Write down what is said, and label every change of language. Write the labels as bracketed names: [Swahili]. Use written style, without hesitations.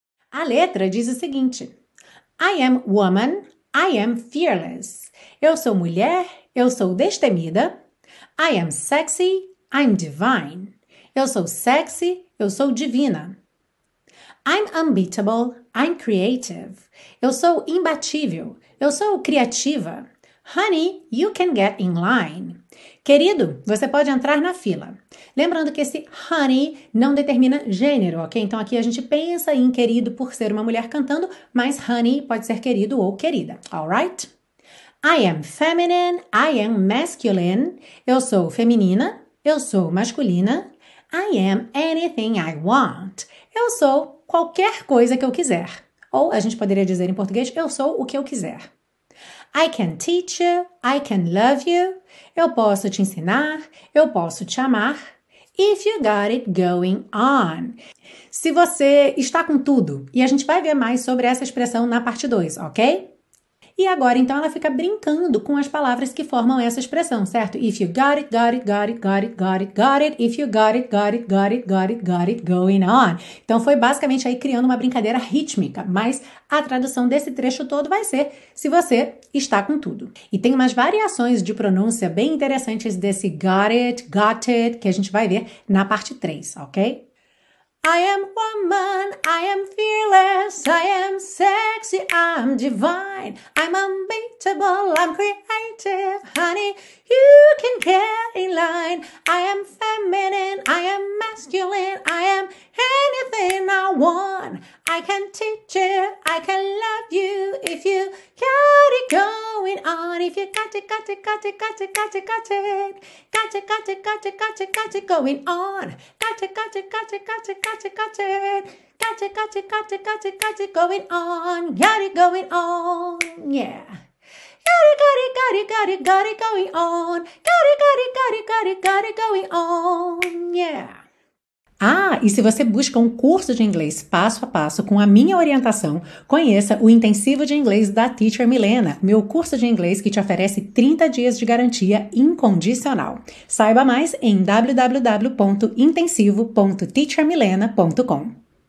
[Portuguese] A letra diz o seguinte: [English] I am woman, I am fearless. [Portuguese] Eu sou mulher, eu sou destemida. [English] I am sexy, I'm divine. [Portuguese] Eu sou sexy, eu sou divina. [English] I'm unbeatable, I'm creative. [Portuguese] Eu sou imbatível, eu sou criativa. [English] Honey, you can get in line. [Portuguese] Querido, você pode entrar na fila. Lembrando que esse honey não determina gênero, ok? Então aqui a gente pensa em querido por ser uma mulher cantando, mas honey pode ser querido ou querida, alright? [English] I am feminine, I am masculine. [Portuguese] Eu sou feminina, eu sou masculina. [English] I am anything I want. [Portuguese] Eu sou qualquer coisa que eu quiser. Ou a gente poderia dizer em português, eu sou o que eu quiser. [English] I can teach you, I can love you. [Portuguese] Eu posso te ensinar, eu posso te amar. [English] If you got it going on. [Portuguese] Se você está com tudo, e a gente vai ver mais sobre essa expressão na parte 2, ok? E agora, então, ela fica brincando com as palavras que formam essa expressão, certo? [English] If you got it, got it, got it, got it, got it, got it. If you got it, got it, got it, got it, got it, got it going on. [Portuguese] Então, foi basicamente aí criando uma brincadeira rítmica. Mas a tradução desse trecho todo vai ser se você está com tudo. E tem umas variações de pronúncia bem interessantes desse got it, que a gente vai ver na parte 3, ok? [English] I am woman, I am fearless, I am sexy, I'm divine, I'm unbeatable, I'm creative, honey, you can get in line. I am feminine, I am masculine, I am anything I want. I can teach you, I can love you, if you got it going on. If you got it, got it, got it, got it, got it, got it, got it, got it, got it, got it, got it going on. Got it, got it, got it, got it, got it, got it, got it, got it, got it, got it, got it going on. Got it going on, yeah. Got it, got it, got it, got it, got it going on. Got it, got it, got it, got it, got it going on, yeah. [Portuguese] Ah, e se você busca um curso de inglês passo a passo com a minha orientação, conheça o Intensivo de Inglês da Teacher Milena, meu curso de inglês que te oferece 30 dias de garantia incondicional. Saiba mais em www.intensivo.teachermilena.com.